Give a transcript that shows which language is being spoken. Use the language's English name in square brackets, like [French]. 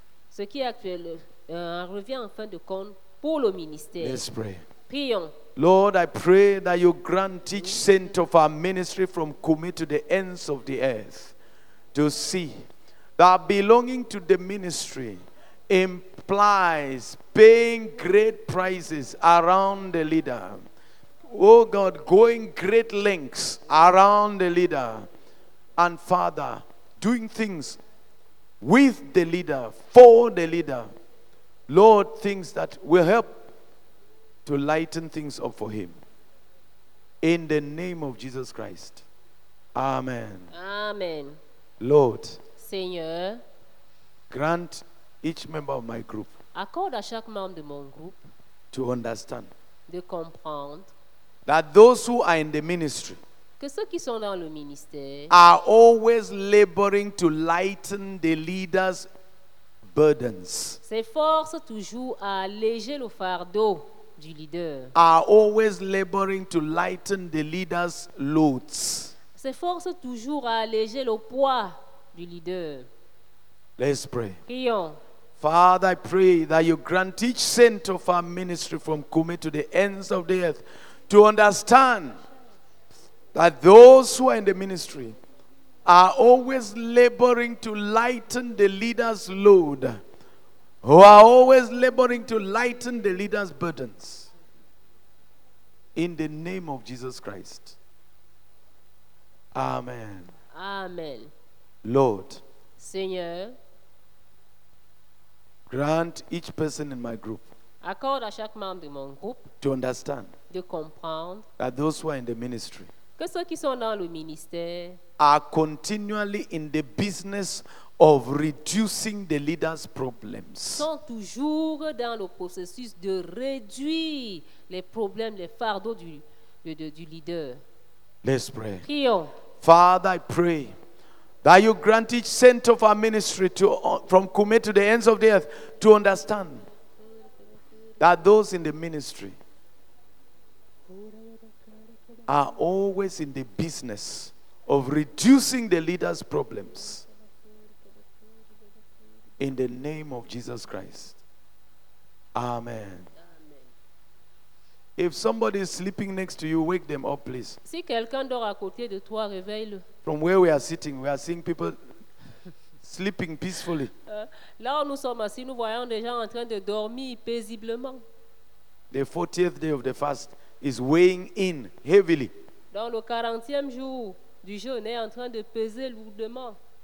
[French] Ce qui est actuel revient en fin de compte pour le ministère. [English] Let's pray. [French] Prions. [English] Lord, I pray that you grant each saint of our ministry from Kumi to the ends of the earth to see that belonging to the ministry implies paying great prices around the leader. Oh God, going great lengths around the leader. And Father, doing things with the leader, for the leader. Lord, things that will help to lighten things up for him. In the name of Jesus Christ. Amen. Amen. Lord, [French] Seigneur, [English] grant each member of my group, [French] accorde à chaque membre de mon groupe, [English] to understand, [French] de comprendre, [English] That those who are in the ministry [French] que ceux qui sont dans le ministère [English] are always laboring to lighten the leader's burdens. [French] S'efforcent toujours à alléger le fardeau du leader. [English] Are always laboring to lighten the leader's loads. [French] S'efforcent toujours à alléger le poids du leader. [English] Let's pray. [French] Prions. [English] Father, I pray that you grant each saint of our ministry from Kume to the ends of the earth to understand that those who are in the ministry are always laboring to lighten the leader's load, who are always laboring to lighten the leader's burdens. In the name of Jesus Christ. Amen. Amen. Lord. [French] Seigneur. [English] Grant each person in my group [French] accorde à chaque membre de mon groupe [English] to understand [French] de comprendre [English] that those who are in the ministry [French] que ceux qui sont dans le ministère [English] are continually in the business of reducing the leader's problems. [French] Sont toujours dans le processus de réduire les problèmes, les fardeaux du leader. [English] Let's pray. [French] Prions. [English] Father, I pray that you grant each saint of our ministry from Kume to the ends of the earth to understand that those in the ministry are always in the business of reducing the leader's problems. In the name of Jesus Christ. Amen. Amen. If somebody is sleeping next to you, wake them up, please. [French] Si quelqu'un dort à côté de toi, réveille-le. [English] From where we are sitting, we are seeing people sleeping peacefully. [French] Là où nous sommes assis, nous voyons des gens en train de dormir paisiblement. [English] The 40th day of the fast is weighing in heavily. [French] Dans le 40e jour du jeûne, est en train de peser lourdement.